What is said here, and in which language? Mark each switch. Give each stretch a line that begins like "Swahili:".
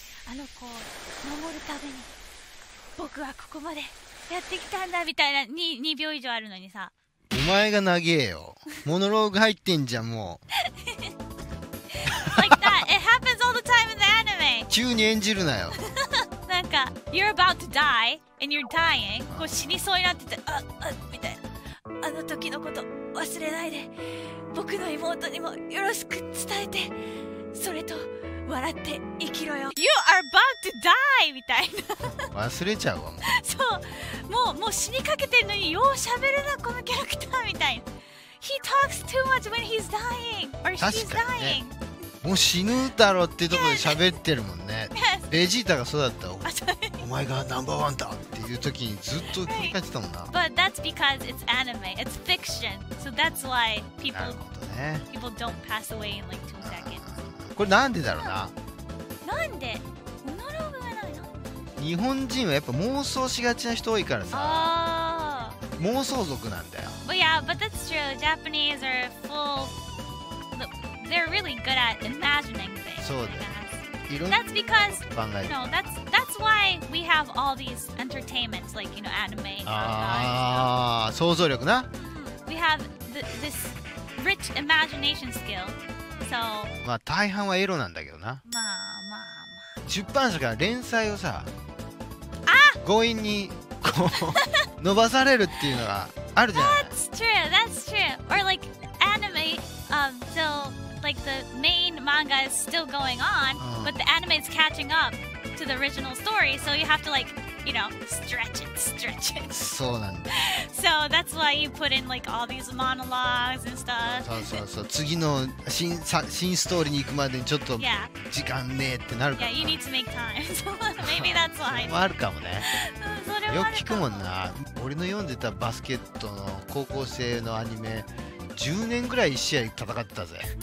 Japanese: あの子を守るために僕はここまでやってきたんだみたいな、 2秒以上あるのにさ、お前が長えよ。モノローグ入ってんじゃん、もう。
English: Like that. It happens all the time in the anime.
Japanese: 急に演じるなよ。なんか、
English: You're about to die and you're dying.
Japanese: こう死にそうになってて、みたいな。あの時のこと忘れないで、僕の妹にもよろしく伝えて、それと笑って生きろよ。
English: You are about to die!
Japanese: みたいな。忘れちゃうわ、もう。そう。もう死にかけてるのに、よう喋るな、このキャラクターみたいな。
English: He talks too much when he's dying. Or she's dying.
Japanese: 確かにね。もう死ぬだろっていうところで喋ってるもんね。ベジータがそうだったよ。お前がナンバーワンだっていう時にずっと繰り返ってたもんな。
English: But that's because it's anime. It's fiction. So that's why people don't pass away in like 2 seconds.
Japanese: これなんでだろうな。なんでモノローグがないの。日本人はやっぱ妄想しがちな人多いからさ。妄想族なんだよ。
English: But yeah, but that's true. Japanese are full. They're really good at imagining things.
Japanese: そうだよ。
English: That's because you know that's why we have all these entertainments like you know anime.
Japanese: ああ、想像力な。
English: We have this rich imagination skill. So,
Japanese: まあ大半はエロなんだけどな。まあまあまあ。出版社から連載をさ、あ、強引にこう伸ばされるっていうのがあるじゃない。
English: That's true. That's true. Or like anime, so like the main manga is still going on, but the anime is catching up to the original story. So you have to like, you know, stretch it.
Japanese: そうなんだ。
English: So that's why you put in like all these monologues and stuff.
Japanese: そうそうそう。次の新ストーリーに行くまでにちょっと時間ねえってなるから。
English: Yeah, you need to make time. Maybe that's why.
Japanese: もあるかもね。それよく聞くもんな。俺の読んでたバスケットの高校生のアニメ、10年ぐらい1試合戦ってたぜ。